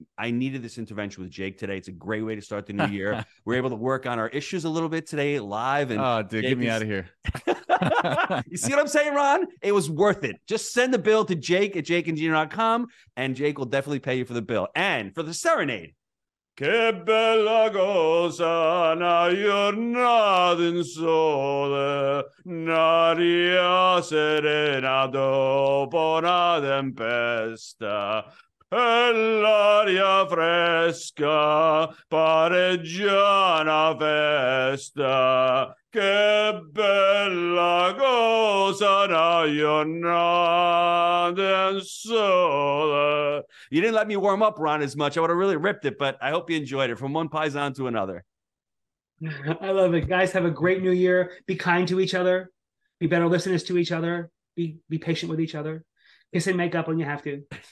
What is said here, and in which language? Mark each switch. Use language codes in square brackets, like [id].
[en] I needed this intervention with Jake today. It's a great way to start the new year. We're able to work on our issues a little bit today live. And oh, dude, get me out of here. You see what I'm saying, Ron? It was worth it. Just send the bill to Jake at jakeandgina.com, and Jake will definitely pay you for the bill. And for the serenade, [it] Che bella cosa, una giornata in sole, un'aria serena dopo una tempesta, e l'aria fresca pare già una festa. Che bella cosa, una giornata in sole. [en] You didn't let me warm up, Ron, as much. I would have really ripped it, but I hope you enjoyed it. From one paisan to another. I love it. Guys, have a great new year. Be kind to each other. Be better listeners to each other. Be patient with each other. Kiss and make up when you have to.